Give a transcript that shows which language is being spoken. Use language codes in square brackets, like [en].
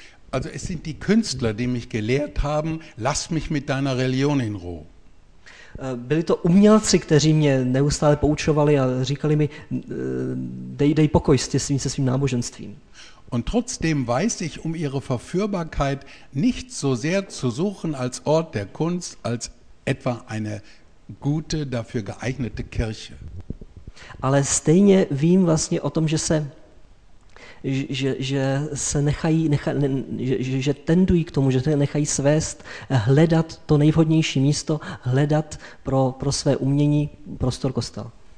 [de] Also es sind die Künstler, die mich gelehrt haben, lass mich mit deiner Religion in Ruhe. [cs] Byli to umělci, kteří mě neustále poučovali a říkali mi, dej pokoj se svým náboženstvím. [de] Und trotzdem weiß ich um ihre Verführbarkeit nicht so sehr zu suchen als Ort der Kunst, als etwa eine gute, dafür geeignete Kirche. [cs] Ale stejně vím vlastně o tom, že tendují k tomu, že se nechají svést, hledat to nejvhodnější místo, hledat pro své umění prostor kostela.